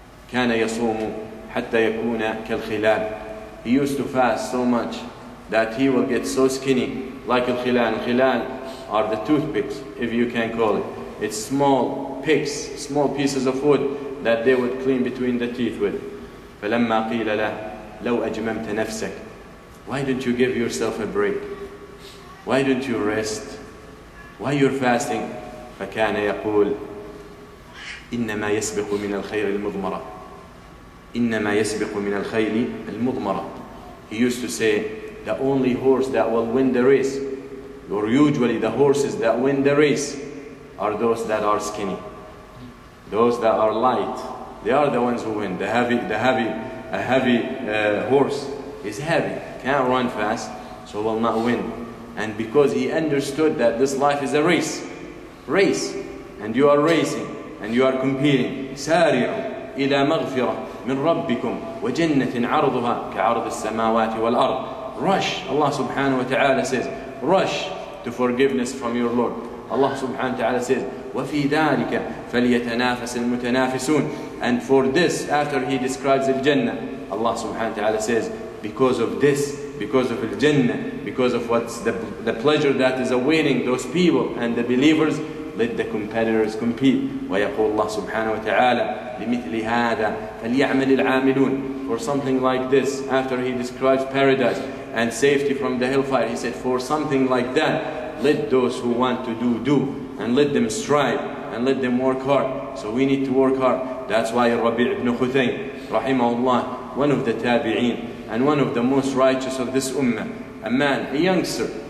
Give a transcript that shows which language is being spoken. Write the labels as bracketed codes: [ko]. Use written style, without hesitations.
[ar] كان يصوم حتى يكون كالخلال. [en] He used to fast so much that he will get so skinny, like الخلال. الخلال are the toothpicks, if you can call it. It's small picks, small pieces of wood that they would clean between the teeth with. [ar] فلما قيل له لو أجممت نفسك. [en] Why don't you give yourself a break? Why don't you rest? Why you're fasting? [ar] فكان يقول إنما يسبق من الخير المضمرة. إنما يسبق من الخيل المضمرة. [en] He used to say, the only horse that will win the race, or usually the horses that win the race, are those that are skinny. Those that are light, they are the ones who win. A heavy horse is heavy, can't run fast, so will not win. And because he understood that this life is a race. Race. And you are racing, and you are competing. [ar] سارعوا إلى مغفرة من ربكم وجنة عرضها كعرض السماوات والأرض. [en] Rush, Allah subhanahu wa ta'ala says, rush to forgiveness from your Lord. Allah subhanahu wa ta'ala says, [ar] وفي ذلك فليتنافس المتنافسون. [en] And for this, after he describes al-Jannah, Allah subhanahu wa ta'ala says, because of this, because of al-Jannah, because of what's the pleasure that is awaiting those people and the believers, let the competitors compete. [ar] ويقول الله سبحانه وتعالى لمثل هذا فليعمل العاملون. [en] For something like this, after he describes paradise and safety from the hellfire, he said, for something like that, let those who want to do, and let them strive, and let them work hard. So we need to work hard. That's why Rabi ibn Khuthayn, rahimahullah, one of the tabi'een, and one of the most righteous of this ummah, a man, a youngster.